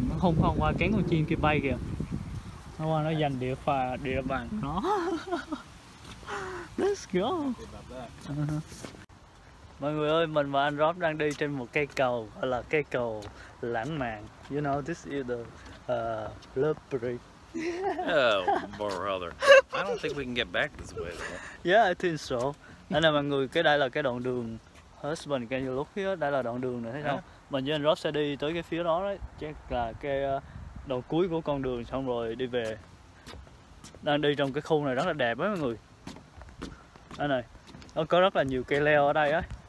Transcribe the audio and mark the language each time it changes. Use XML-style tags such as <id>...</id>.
<vi>Nó không không qua cánh con chim kia bay kìa. Nó qua nó giành địa phà địa bàn nó.</vi> <en>Let's go.</en> <vi>Mọi người ơi, mình và anh Rob đang đi trên một cây cầu gọi là cây cầu lãng mạn.</vi> <en>You know this is the love bridge. Oh brother, I don't think we can get back this way. Yeah, I think so.</en> <vi>Anh em mọi người, cái đây là cái đoạn đường</vi> <en>husband can you look here?</en> <vi>Đây là đoạn đường này thấy không? Mình với anh Rob sẽ đi tới cái phía đó đấy, chắc là cái đầu cuối của con đường xong rồi đi về. Đang đi trong cái khu này rất là đẹp á mọi người. Đây này, nó có rất là nhiều cây leo ở đây á.</vi>